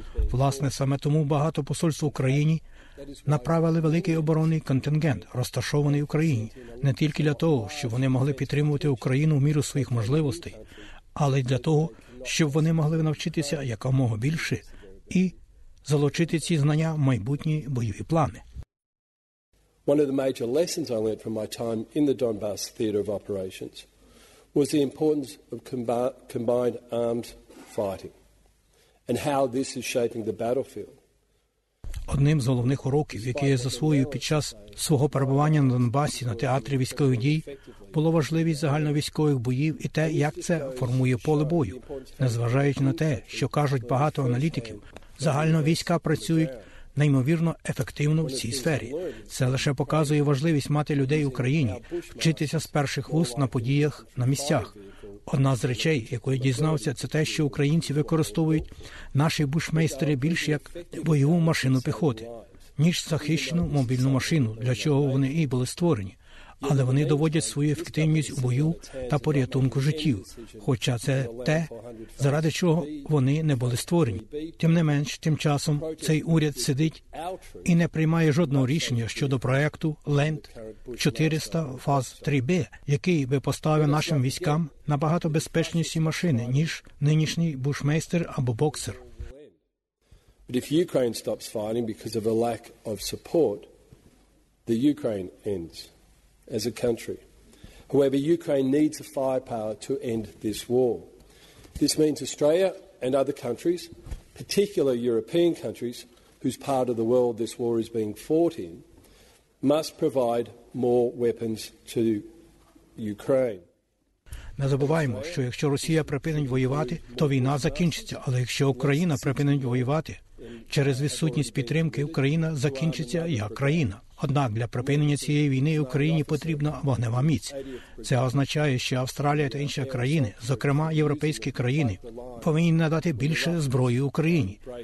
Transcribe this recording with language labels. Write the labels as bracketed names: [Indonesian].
[Ukrainian] Власне, саме тому багато посольств в Україні направили великий оборонний контингент, розташований в Україні, не тільки для того, щоб вони могли підтримувати Україну в міру своїх можливостей, але й для того, щоб вони могли навчитися якомога більше і залучити ці знання в майбутні бойові плани. [English] One of the major lessons I learned from my time in the Donbas theater of operations was the importance of combined armed fighting and how this is shaping the battlefield. [Ukrainian] Одним з головних уроків, які я засвоїв під час свого перебування на Донбасі на театрі військових дій, було важливість загальновійськових боїв і те, як це формує поле бою. Незважаючи на те, що кажуть багато аналітиків, загально війська працюють неймовірно ефективно в цій сфері. Це лише показує важливість мати людей в Україні, вчитися з перших вуст на подіях на місцях. Одна з речей, яку я дізнався, це те, що українці використовують наші бушмейстери більш як бойову машину піхоти, ніж захищену мобільну машину, для чого вони і були створені. Але вони доводять свою ефективність у бою та порятунку життів, хоча це те, заради чого вони не були створені. Тим не менш, тим часом цей уряд сидить і не приймає жодного рішення щодо проєкту Land 400 фаз 3B, який би поставив нашим військам набагато безпечніші машини, ніж нинішній бушмейстер або боксер. [English] But if Ukraine stops fighting because of a lack of support, the Ukraine ends. As a country. However, Ukraine needs the firepower to end this war. This means Australia and other countries, particularly European countries, whose part of the world this war is being fought in, must provide more weapons to Ukraine. [Ukrainian] Не забуваємо, що якщо Росія припинить воювати, то війна закінчиться. Але якщо Україна припинить воювати, через відсутність підтримки Україна закінчиться як країна. Однак для припинення цієї війни Україні потрібна вогнева міць. Це означає, що Австралія та інші країни, зокрема європейські країни, повинні надати більше зброї Україні.